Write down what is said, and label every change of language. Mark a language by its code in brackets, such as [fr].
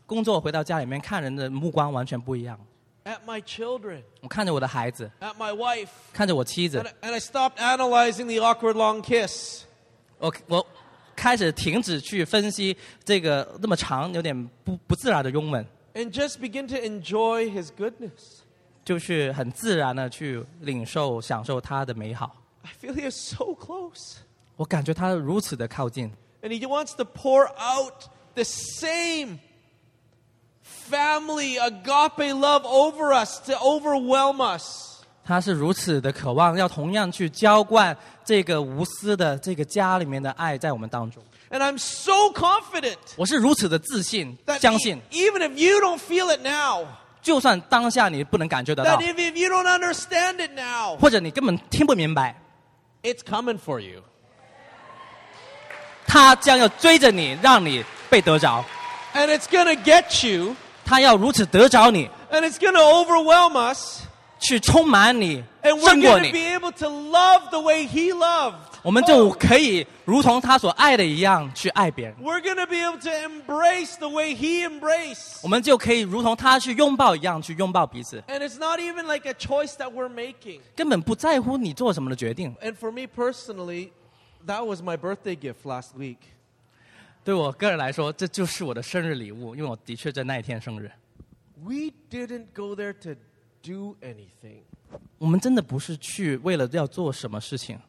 [zh] 我感受这也使我回到家里面去，或者从工作回到家里面看人的目光完全不一样。 [en] At my children. [zh] 我看着我的孩子, [en] at my wife. [zh] 看着我妻子, [en] and I stopped analyzing the awkward long kiss. [zh] 我开始停止去分析这个那么长，有点不自然的拥吻。 [en] And just begin to enjoy his goodness. [zh] 就是很自然的去领受享受他的美好。 [en] I feel he is so close. [zh] 我感觉他如此的靠近。 [en] And he wants to pour out the same family agape love over us to overwhelm us. [zh] 他是如此的渴望，要同样去浇灌这个无私的这个家里面的爱在我们当中。 [en] And I'm so confident. [zh] 我是如此的自信，相信。 [en] Even if you don't feel it now, [zh] 就算当下你不能感觉得到。 [en] That if you don't understand it now, [zh] 或者你根本听不明白。 [en] It's coming for you. [zh] 他将要追着你，让你被得着。 [en] And it's going to get you. [zh] 它要如此得着你, [en] and it's going to overwhelm us. [zh] 去充满你, [en] and we're going to be able to love the way he loved. [zh] 我们就可以如同他所爱的一样去爱别人。 [en] We're going to be able to embrace the way he embraced. [zh] 我们就可以如同他去拥抱一样去拥抱彼此。 [en] And it's not even like a choice that we're making. [zh] 根本不在乎你做什么的决定。 [en] And for me personally, that was my birthday gift last week. [zh] 对我个人来说，这就是我的生日礼物，因为我的确在那一天生日。 [en] We didn't go there to do anything. [zh] 我们真的不是去为了要做什么事情。